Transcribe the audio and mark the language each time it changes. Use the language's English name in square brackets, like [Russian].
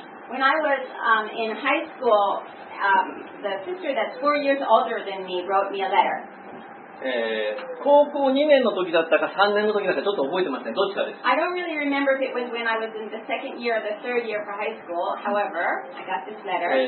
[English] When I was in high school, the sister that's 4 years older than me wrote me a letter. [Japanese] 高校2年の時だったか3年の時だったかちょっと覚えてません。どっちかです。 [English] I don't really remember if it was when I was in the second year or the third year for high school. However, I got this letter.